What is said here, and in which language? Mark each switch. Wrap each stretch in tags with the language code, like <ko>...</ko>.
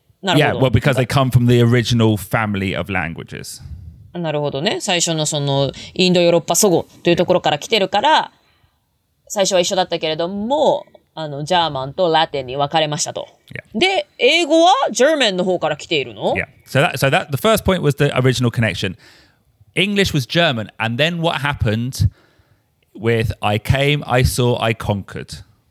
<en>Yeah, well, because they come from the original family of languages.</en> <ja>なるほどね。最初のそのインドヨーロッパ祖語というところから来てるから、最初は一緒だったけれども、あのジャーマンとラテンに分かれましたと。 Yeah. で、英語は German の方から来ているの? Yeah.</ja> <en>So that the first point was the original connection. English was German, and then what happened with I came, I saw, I conquered?</en>